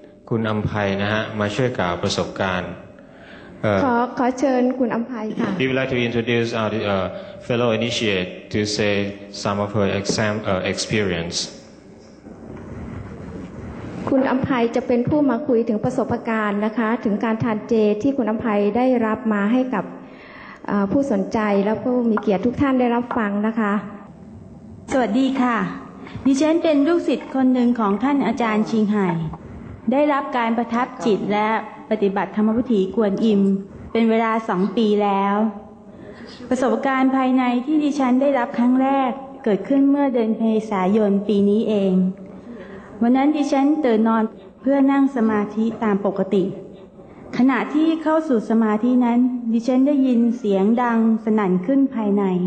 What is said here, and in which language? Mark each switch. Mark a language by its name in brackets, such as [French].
[Thai] คุณอัมภัยนะฮะมาช่วยกล่าวประสบการณ์ขอเชิญคุณอัมภัยค่ะ [English] We would like to introduce our fellow initiate to say some of her experience [Thai] คุณอัมภัยจะเป็นผู้มาคุยถึงประสบการณ์นะคะถึงการทานเจที่คุณอัมภัยได้รับมาให้กับผู้สนใจและผู้มีเกียรติทุกท่านได้รับฟังนะคะ สวัสดีค่ะดิฉันเป็นลูกศิษย์คนหนึ่งของท่านอาจารย์ชิงไฮได้รับการประทับจิตและปฏิบัติธรรมวิถีกวนอิมเป็นเวลา2ปีแล้วประสบการณ์ภายในที่ดิฉันได้รับครั้งแรกเกิดขึ้นเมื่อเดือนเมษายนปีนี้เองวันนั้นดิฉันตื่นนอนเพื่อนั่งสมาธิตามปกติขณะที่เข้าสู่สมาธินั้นดิฉันได้ยินเสียงดังสนั่นขึ้นภายใน